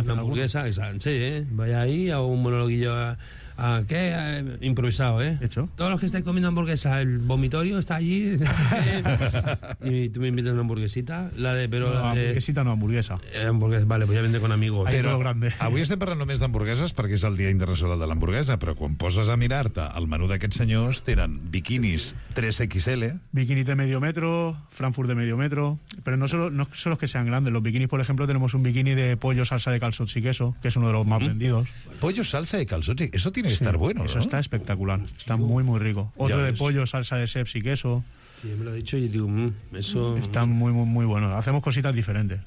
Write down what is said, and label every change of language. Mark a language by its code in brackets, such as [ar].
[es] Una hamburguesa, sí, vaya ahí, hago un monologuillo... ¿Qué? Improvisado, ¿eh? Hecho. Todos los que estáis comiendo hamburguesa, el vomitorio está allí. Y tú me invitas una hamburguesita. Hamburguesa, vale, pues ya vende con amigos. Pero grande. [ca] Avui estem parlant només d'hamburgueses perquè és el Dia Internacional de l'Hamburguesa, però quan poses a mirar-te el menú d'aquests senyors, tenen biquinis 3XL. [es] Biquinis de medio metro, Frankfurt de medio metro, però no solo los que sean grandes. Los biquinis, por ejemplo, tenemos un biquini de pollo, salsa de calçots y queso, que es uno de los más vendidos. Pollo, salsa de calçots y queso. Tiene que estar bueno, eso, ¿no? Está espectacular. Está muy, muy rico. Otro de pollo, salsa de seps y queso. Sí, me lo ha dicho y digo, eso... Está muy, muy, muy bueno. Hacemos cositas diferentes.